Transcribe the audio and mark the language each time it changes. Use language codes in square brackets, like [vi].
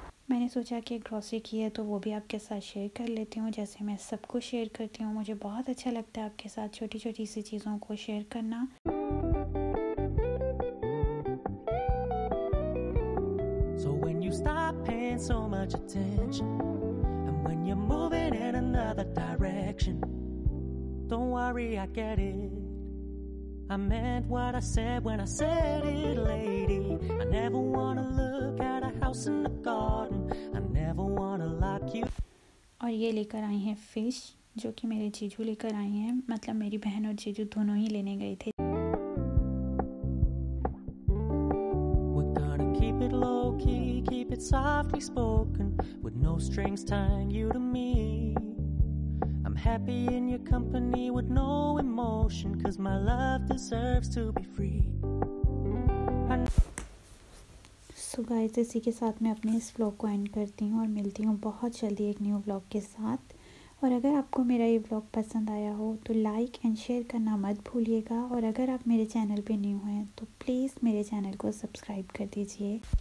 [hi] मैंने सोचा कि ग्रॉसरी की है तो वो भी आपके साथ शेयर कर लेती हूँ जैसे मैं सबको शेयर करती हूँ। मुझे बहुत अच्छा लगता है आपके साथ छोटी छोटी सी चीज़ों को शेयर करना। [en] So when you stop paying so much attention and when you're moving in another direction. Don't worry, I get it. I meant what I said when I said it, lady. I never wanna look at a house in the garden. [hi] और ये लेकर आई हैं fish जो कि मेरे जीजू लेकर आए हैं, मतलब मेरी बहन और जीजू दोनों ही लेने गए थे। [en] We're gonna keep it low key, keep it softly spoken, with no strings tying you to me. I'm happy in your company with no emotion, cause my love deserves to be free. [hi] So guys इसी के साथ मैं अपने इस vlog को and करती हूँ और मिलती हूँ बहुत जल्दी एक न्यू व्लॉग के साथ। और अगर आपको मेरा ये व्लॉग पसंद आया हो तो लाइक एंड शेयर करना मत भूलिएगा और अगर आप मेरे चैनल पे न्यू हैं तो प्लीज़ मेरे चैनल को सब्सक्राइब कर दीजिए।